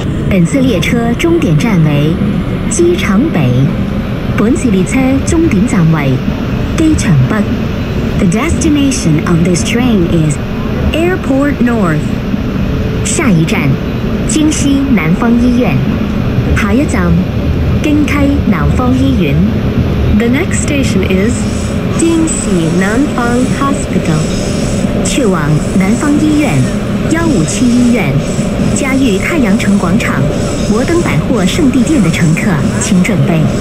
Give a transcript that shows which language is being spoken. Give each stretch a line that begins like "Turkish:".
Chinese: 本次列车终点站为机场北，本次列车终点站为机场北。
English: The destination on this train is Airport North.
Chinese: 下一站京西南方医院，下一站京开南方医院。
English: The next station is 京西南方 hospital.
Chinese: 去往南方医院157医院，嘉裕太阳城广场，摩登百货圣地店的乘客，请准备。